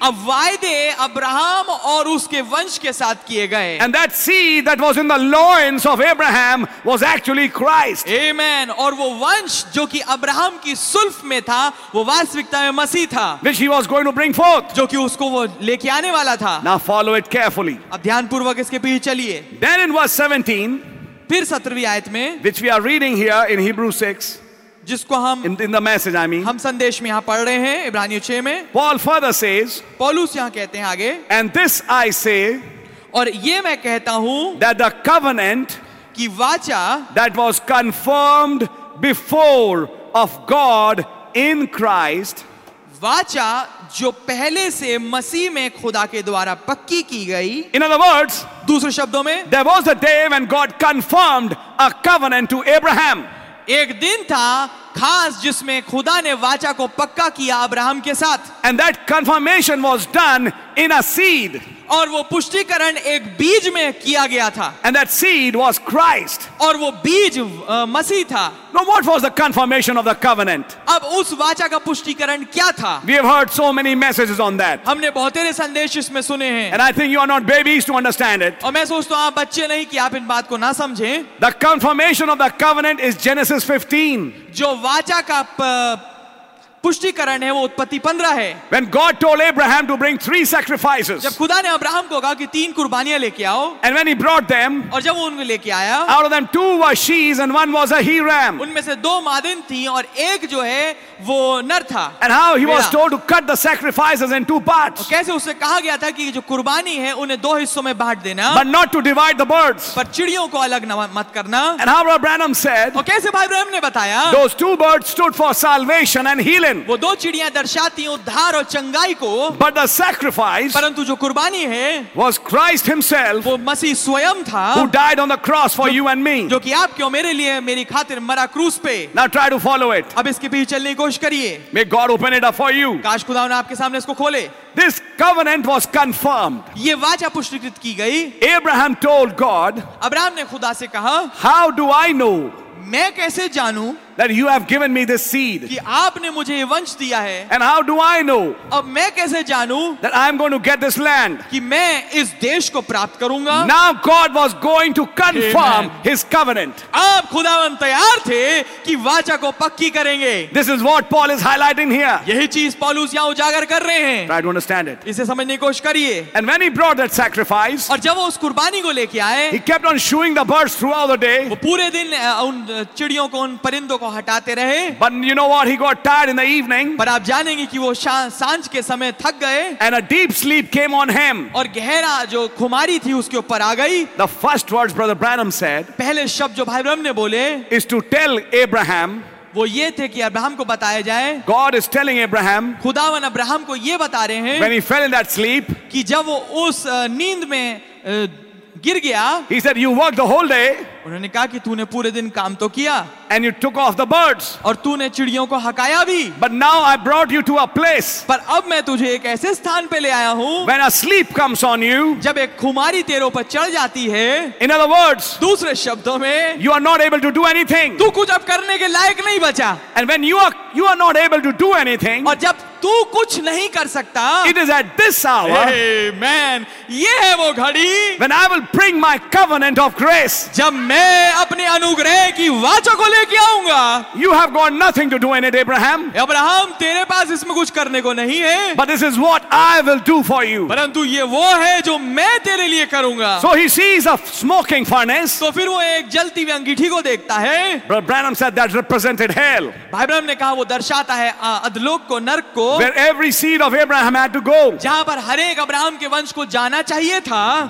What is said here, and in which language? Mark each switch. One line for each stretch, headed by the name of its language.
Hindi: अब वायदे अब्राहम और उसके वंश के साथ किए गए.
English: And that seed that was in the loins of Abraham was actually Christ. Amen.
Hindi: और वो वंश जो कि अब्राहम की सुल्फ में था, वो वास्तविकता में मसीह था.
English: Which he was going to bring forth.
Hindi: जो कि उसको वो लेके आने वाला था.
English: Now follow it carefully.
Hindi: अब ध्यानपूर्वक इसके पीछे चलिए.
English: Then in verse 17.
Hindi: फिर 17वीं आयत में.
English: Which we are reading here in Hebrews 6.
Hindi: जिसको हम
English: in the message, I mean,
Hindi: हम संदेश में यहाँ पढ़ रहे हैं इब्रानियों 6 में.
English: Paul further says,
Hindi: पौलुस यहाँ कहते हैं आगे,
English: and this I say,
Hindi: और ये मैं कहता हूँ,
English: that the covenant,
Hindi: कि वाचा,
English: that was confirmed before of God in Christ,
Hindi: वाचा जो पहले से मसीह में खुदा के द्वारा पक्की की गई.
English: In other words,
Hindi: दूसरे शब्दों में,
English: there was a day when God confirmed a covenant to Abraham.
Hindi: एक दिन था खास जिसमें खुदा ने वाचा को पक्का किया अब्राहम के साथ.
English: And that confirmation was done in a seed.
Hindi: और वो पुष्टिकरण एक बीज में किया गया था.
English: And that seed was Christ.
Hindi: और वो बीज मसीह था.
English: Now what was the confirmation of the covenant?
Hindi: अब उस वाचा का पुष्टिकरण क्या था?
English: We have heard so many messages on that.
Hindi: हमने बहुत सारे संदेश इसमें सुने हैं.
English: And I think you are not babies to understand it.
Hindi: और मैं सोचता हूँ आप बच्चे नहीं कि आप इन बात को ना समझें.
English: The confirmation of the covenant is Genesis 15.
Hindi: जो वाचा का पुष्टिकरण है वो उत्पत्ति 15 है.
English: When God told Abraham to bring 3 sacrifices.
Hindi: जब खुदा ने अब्राहम को कहा कि 3 कुर्बानियां लेके आओ.
English: And when he brought them.
Hindi: और जब वो उनको लेके आया.
English: Out of them 2 were she's and 1 was a he ram.
Hindi: उनमें से 2 मादिन थी और एक जो है वो नर था.
English: And how he was told to cut the sacrifices in 2 parts.
Hindi: और कैसे उसे कहा गया था कि जो कुर्बानी है उन्हें 2 हिस्सों में बांट देना.
English: But not to divide the birds.
Hindi: पर चिड़ियों को अलग मत करना.
English: And how Abraham said.
Hindi: और कैसे भाई अब्राहम ने बताया.
English: Those 2 birds stood for salvation and healing.
Hindi: वो 2 चिड़ियां दर्शाती उद्धार और चंगाई को.
English: But the sacrifice,
Hindi: परंतु जो कुर्बानी है,
English: was Christ himself,
Hindi: वो मसीह स्वयं था,
English: who died on the cross for you and me,
Hindi: जो कि आपके और मेरे लिए मेरी खातिर मरा क्रूस पे.
English: Now try to follow it.
Hindi: अब इसके पीछे चलने की कोशिश करिए.
English: May God open it up for you.
Hindi: काश खुदा ने आपके सामने इसको खोले.
English: This covenant was confirmed.
Hindi: ये वाचा पुष्टिकृत की गई.
English: Abraham told God,
Hindi: अब्राहम ने खुदा से कहा,
English: How do I know?
Hindi: मैं कैसे जानूं?
English: That you have given me this seed.
Hindi: कि आपने मुझे ये वंश दिया है.
English: And how do I know?
Hindi: अब मैं कैसे जानूं?
English: That I am going to get this land.
Hindi: कि मैं इस देश को प्राप्त करूंगा.
English: Now God was going to confirm his covenant.
Hindi: अब खुदावन तैयार थे कि वाचा को पक्की करेंगे.
English: This is what Paul is highlighting here.
Hindi: यही चीज पौलुस यहां उजागर कर रहे हैं.
English: Try to understand it.
Hindi: इसे समझने की कोशिश करिए.
English: And when he brought that sacrifice.
Hindi: और जब वो उस कुर्बानी को लेके आए.
English: He kept on shooing the birds throughout the day.
Hindi: वो पूरे दिन उन चिड़ियों को उन परिंदों को हटाते रहे.
English: But you know what? He got tired in the evening.
Hindi: पर आप जानेंगे कि वो सांझ के समय थक गए.
English: And a deep sleep came on him.
Hindi: और गहरा जो खुमारी थी उसके ऊपर आ गई.
English: The first words Brother Branham said.
Hindi: पहले शब्द जो भाई ब्रह्म ने बोले.
English: Is to tell Abraham.
Hindi: वो ये थे कि अब्राहम को बताया जाए.
English: God is telling Abraham.
Hindi: खुदावन अब्राहम को ये बता रहे हैं.
English: When he fell in that sleep.
Hindi: कि जब वो उस नींद में गिर गया.
English: He said, "You worked the whole day."
Hindi: उन्होंने कहा कि तूने पूरे दिन काम तो किया.
English: And you took off the birds.
Hindi: और तूने चिड़ियों को हकाया भी.
English: But now I brought you to a place.
Hindi: पर अब मैं तुझे एक ऐसे स्थान पे ले आया हूँ.
English: When a sleep comes on you.
Hindi: जब एक खुमारी तेरे ऊपर चढ़ जाती है.
English: In other words.
Hindi: दूसरे शब्दों में.
English: You are not able to do anything.
Hindi: तू कुछ अब करने के लायक नहीं बचा.
English: And when you are not able to do anything.
Hindi: और जब तू कुछ नहीं कर सकता.
English: It is at this hour.
Hindi: Amen. ये है वो घड़ी.
English: When I will bring my covenant of grace.
Hindi: जब मैं अपने अनुग्रह की वाचा को लेके आऊंगा.
English: You have got nothing to do in it, Abraham.
Hindi: Abraham तेरे पास इसमें कुछ करने को नहीं है.
English: But this is what I will do for you.
Hindi: परंतु ये वो है जो मैं तेरे लिए करूंगा.
English: So he sees a smoking furnace.
Hindi: तो फिर वो एक जलती हुई अंगीठी को देखता है.
English: Abraham said that represented hell.
Hindi: भाई ब्रह्म ने कहा वो दर्शाता है अधलोक को नर्क को.
English: Where every seed of Abraham had to go.
Hindi: जहां पर हर एक अब्राहम के वंश को जाना चाहिए था.